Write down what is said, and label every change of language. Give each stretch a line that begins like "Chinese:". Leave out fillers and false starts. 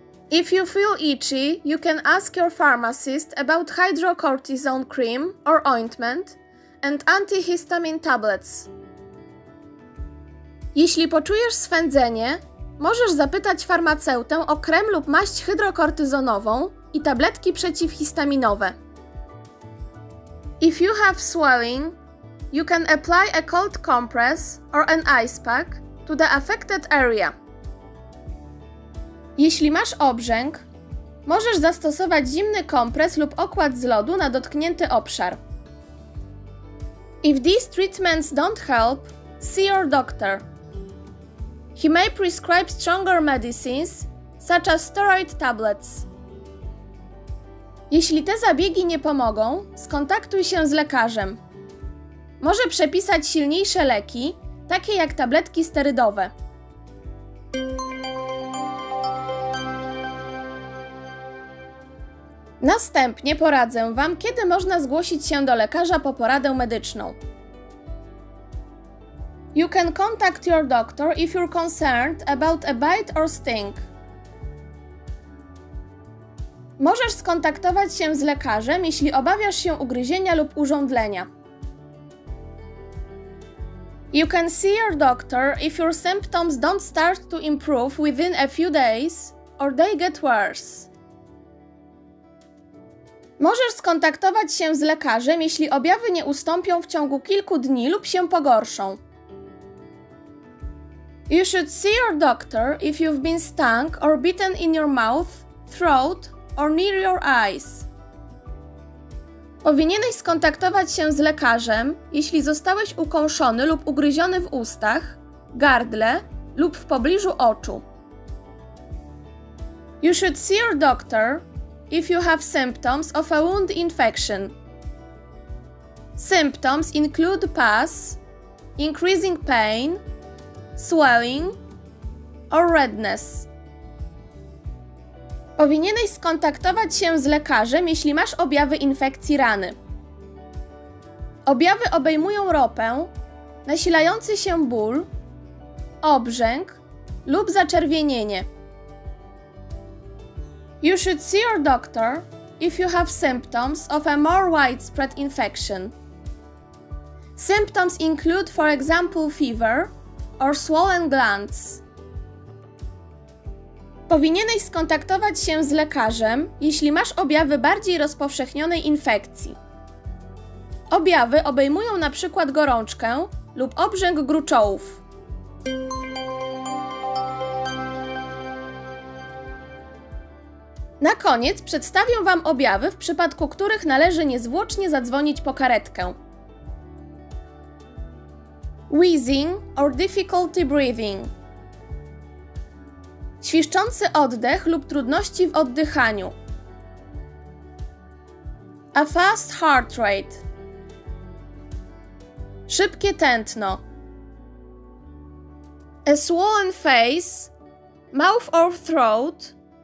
English: If you feel itchy, you can ask your pharmacist about hydrocortisone cream or ointment and antihistamine tablets.
Polish: Jeśli poczujesz swędzenie, możesz zapytać farmaceutę o krem lub maść hydrokortyzonową i tabletki przeciwhistaminowe.
English: If you have swelling, you can apply a cold compress or an ice pack to the affected area.
Polish: Jeśli masz obrzęk, możesz zastosować zimny kompres lub okład z lodu na dotknięty obszar.
English: If these treatments don't help, see your doctor. He may prescribe stronger medicines, such as steroid tablets.
Polish: Jeśli te zabiegi nie pomogą, skontaktuj się z lekarzem. Może przepisać silniejsze leki, takie jak tabletki sterydowe. Następnie poradzę Wam, kiedy można zgłosić się do lekarza po poradę medyczną.
English: You can contact your doctor if you're concerned about a bite or sting.
Polish: Możesz skontaktować się z lekarzem, jeśli obawiasz się ugryzienia lub użądlenia.
English: You can see your doctor if your symptoms don't start to improve within a few days or they get worse.
Polish: Możesz skontaktować się z lekarzem, jeśli objawy nie ustąpią w ciągu kilku dni lub się pogorszą.
English: You should see your doctor if you've been stung or bitten in your mouth, throat or near your eyes.
Polish: Powinieneś skontaktować się z lekarzem, jeśli zostałeś ukąszony lub ugryziony w ustach, gardle lub w pobliżu oczu.
English: You should see your doctor if you have symptoms of a wound infection. Symptoms include pus, increasing pain, swelling or redness.
Polish: Powinieneś skontaktować się z lekarzem, jeśli masz objawy infekcji rany. Objawy obejmują ropę, nasilający się ból, obrzęk lub zaczerwienienie.
English: You should see your doctor if you have symptoms of a more widespread infection. Symptoms include, for example, fever or swollen glands.
Polish: Powinieneś skontaktować się z lekarzem, jeśli masz objawy bardziej rozpowszechnionej infekcji. Objawy obejmują na przykład gorączkę lub obrzęk gruczołów. Na koniec przedstawię Wam objawy, w przypadku których należy niezwłocznie zadzwonić po karetkę.
English: Wheezing or difficulty breathing.
Polish: Świszczący oddech lub trudności w oddychaniu.
English: A fast heart rate.
Polish: Szybkie tętno.
English: A swollen face, mouth or throat.